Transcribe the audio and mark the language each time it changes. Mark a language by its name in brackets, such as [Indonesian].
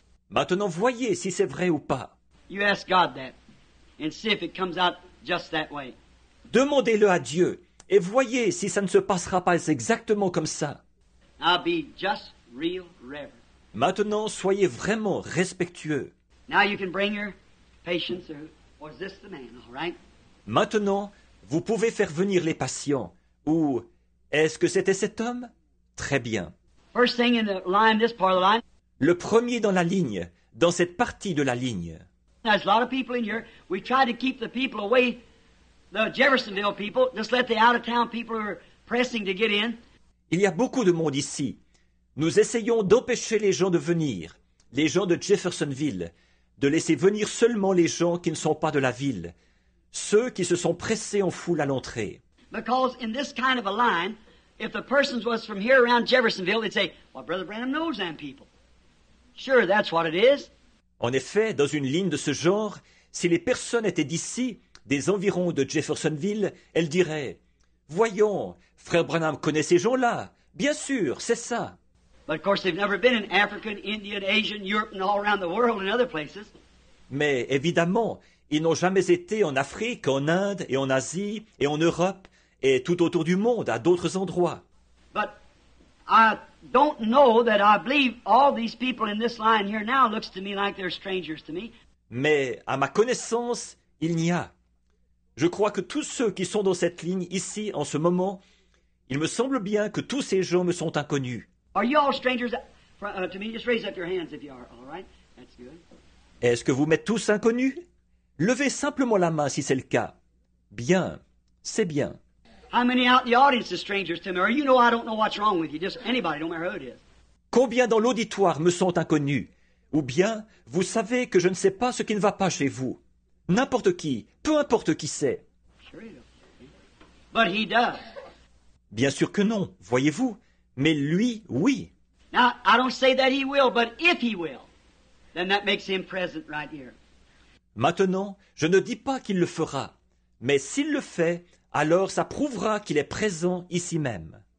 [French] Maintenant, voyez si c'est vrai ou pas. [English] You ask God that, and see if it comes out just that way. [French] Demandez-le à Dieu, et voyez si ça ne se passera pas exactement comme ça. [English] Now be just real reverent. [French] Maintenant, soyez vraiment respectueux. [English] Now you can bring your patients, or is this the man, all right? [French] Maintenant, vous pouvez faire venir les patients. Ou est-ce que c'était cet homme? Très bien. [English] First thing in the line, this part of the line. [French] Le premier dans la ligne, dans cette partie de la ligne. [English] There's a lot of people in here. We try to keep the people away, the Jeffersonville people. Just let the out-of-town people are pressing to get in. [French] Il y a beaucoup de monde ici. Nous essayons d'empêcher les gens de venir, les gens de Jeffersonville, de laisser venir seulement les gens qui ne sont pas de la ville, ceux qui se sont pressés en foule à l'entrée. [English] Because in this kind of a line, if the person was from here around Jeffersonville, they'd say, well, Brother Branham knows them people. Sure, that's what it is. [French] En effet, dans une ligne de ce genre, si les personnes étaient d'ici, des environs de Jeffersonville, elles diraient, voyons, Frère Branham connaît ces gens-là. Bien sûr, c'est ça. [English] But of course, they've never been in Africa, India, Asia, Europe, and all around the world and other places. [French] Mais évidemment, ils n'ont jamais été en Afrique, en Inde, et en Asie, et en Europe, et tout autour du monde, à d'autres endroits. [English] But I don't know that I believe all these people in this line here now looks to me like they're strangers to me. [French] Mais à ma connaissance, il n'y a. Je crois que tous ceux qui sont dans cette ligne ici en ce moment, il me semble bien que tous ces gens me sont inconnus. [English] Are you all strangers to me? Just raise up your hands if you are, all right? That's good. [French] Est-ce que vous m'êtes tous inconnus? Levez simplement la main si c'est le cas. Bien, c'est bien. [English] How many out in the audience is strangers to me? Or you know I don't know what's wrong with you. Just anybody, don't matter who it is. [French] Combien dans l'auditoire me sont inconnus? Ou bien, vous savez que je ne sais pas ce qui ne va pas chez vous. N'importe qui, peu importe qui c'est. [English] Sure he does. But he does. [French] Bien sûr que non, voyez-vous. Mais lui, oui. [English] Now, I don't say that he will, but if he will, then that makes him present right here. [French] Maintenant, je ne dis pas qu'il le fera, mais s'il le fait, alors ça prouvera qu'il est présent ici même.